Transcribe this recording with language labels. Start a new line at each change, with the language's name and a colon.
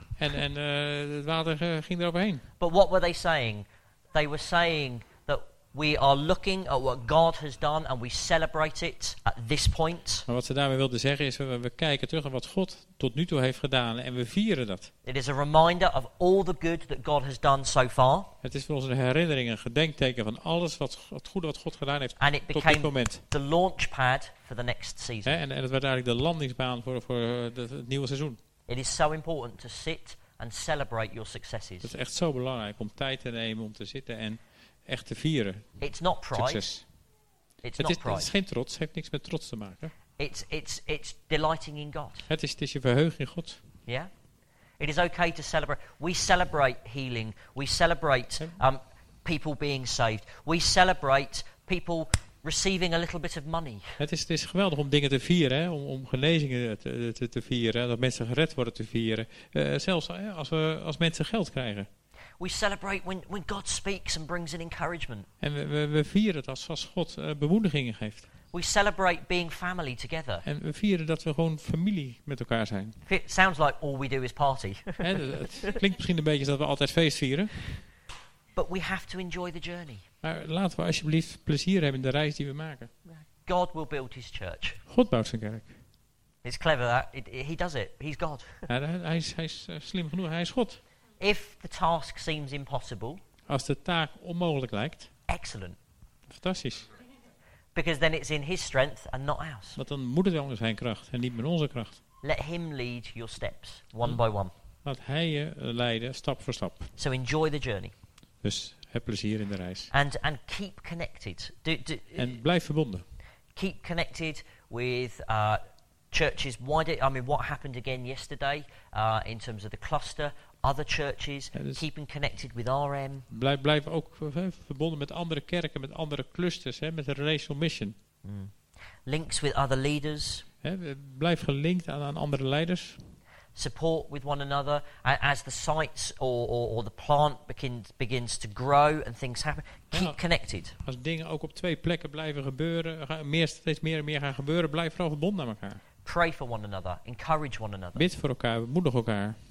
Dutch: En het water ging eroverheen.
English: But what were they saying? They were saying that we are looking at what God has done and we celebrate it at this point.
Dutch: Maar wat ze daarmee wilden zeggen is we kijken terug naar wat God tot nu toe heeft gedaan en we vieren dat.
English: It is a reminder of all the good that God has done so far.
Dutch: Het is voor ons een herinnering, een gedenkteken van alles wat het goede wat God gedaan heeft tot dit moment.
English: And it became the launch pad for the next season.
Dutch: En het werd eigenlijk de landingsbaan voor het nieuwe seizoen.
English: It is so important to sit and celebrate your successes.
Dutch: Het is echt zo belangrijk om tijd te nemen om te zitten en echt te vieren.
English: It's not pride.
Dutch: Succes.
English: It's not pride.
Dutch: Het is geen trots. Het heeft niks met trots te maken.
English: It's delighting in God.
Dutch: Het is je verheugen in God.
English: Yeah. It is okay to celebrate. We celebrate healing. We celebrate people being saved. We celebrate people receiving a little bit of money.
Dutch: Het is geweldig om dingen te vieren, hè? Om genezingen te vieren, dat mensen gered worden te vieren. Zelfs als mensen geld krijgen.
English: We celebrate when God speaks and brings an encouragement.
Dutch: En we vieren het als God bemoedigingen geeft.
English: We celebrate being family together.
Dutch: En we vieren dat we gewoon familie met elkaar zijn.
English: It sounds like all we do is party.
Dutch: Het klinkt misschien een beetje dat we altijd feest vieren.
English: But we have to enjoy the journey.
Dutch: Maar laten we alsjeblieft plezier hebben in de reis die we maken.
English: God will build his church.
Dutch: God bouwt zijn kerk.
English: It's clever that he does it. He's God.
Dutch: Hij is slim genoeg. Hij is God.
English: If the task seems impossible.
Dutch: Als de taak onmogelijk lijkt.
English: Excellent.
Dutch: Fantastisch.
English: Because then it's in his strength and not ours.
Dutch: Want dan moet het wel in zijn kracht en niet met onze kracht.
English: Let him lead your steps one by one.
Dutch: Laat hij je leiden stap voor stap.
English: So enjoy the journey.
Dutch: Dus heb plezier in de reis.
English: And keep connected.
Dutch: En blijf verbonden.
English: Keep connected with churches wider. I mean, what happened again yesterday in terms of the cluster. Other churches, dus keeping connected with RM.
Dutch: Blijf ook verbonden met andere kerken, met andere clusters, met de relational mission.
English: Links with other leaders.
Dutch: Blijf gelinkt aan andere leiders.
English: Support with one another as the sites or the plant begins to grow and things happen. Keep connected.
Dutch: Als dingen ook op twee plekken blijven gebeuren, steeds meer en meer gaan gebeuren, blijf vooral verbonden aan elkaar.
English: Pray for one another, encourage one another.
Dutch: Bid voor elkaar, bemoedig elkaar.